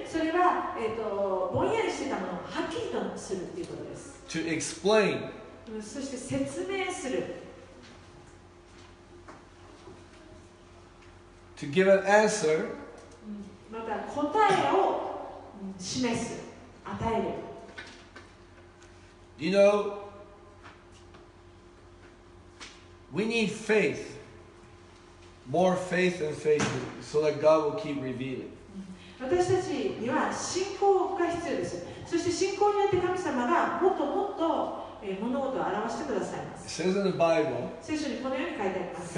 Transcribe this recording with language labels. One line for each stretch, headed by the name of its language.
Japanese: それは、ぼんやりしてたものをはっきりとするということです。
English: To explain.
Japanese: そして説明する。
English: To give an answer.
Japanese: また答えを示す、与える。
English: You know, we need faith, more faith than faith, so that God will keep revealing.
Japanese: 私たちには信仰が必要です。そして信仰によって神様がもっともっと物事を表してくださいます。
English: It says in the Bible,
Japanese: 聖書にこのように書いてあります。